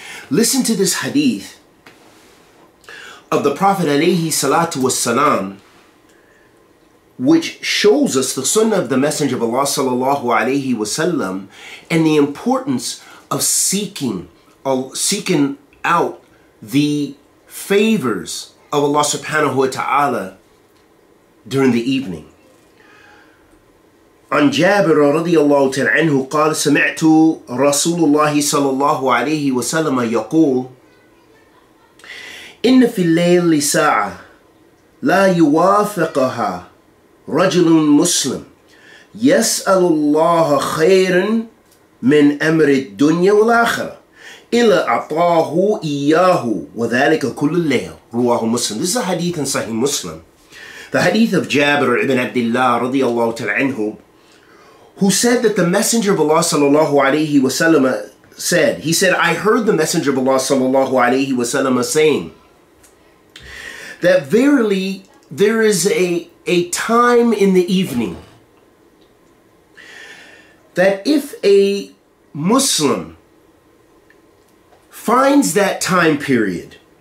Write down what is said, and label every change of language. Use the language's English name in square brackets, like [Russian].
[English] Listen to this hadith of the Prophet alayhi salatu wassalam, which shows us the sunnah of the Messenger of Allah sallallahu alayhi wasallam and the importance of seeking out the favors of Allah subhanahu wa ta'ala during the evening. [Arabic] عن جابر رضي الله تعالى عنه قال سمعت رسول الله صلى الله عليه وسلم يقول إن في الليل ساعة لا يوافقها رجل مسلم يسأل الله خيرا من أمر الدنيا والآخرة إلا أعطاه إياه وذلك كل الليل رواه مسلم. [English] This is a hadith in Sahih Muslim. The hadith of Jabir ibn Abdullah رضي الله تعالى عنه, who said that the Messenger of Allah sallallahu alayhi wa sallam said, he said, I heard the Messenger of Allah sallallahu alayhi wa sallam saying that verily there is a time in the evening that if a Muslim finds that time period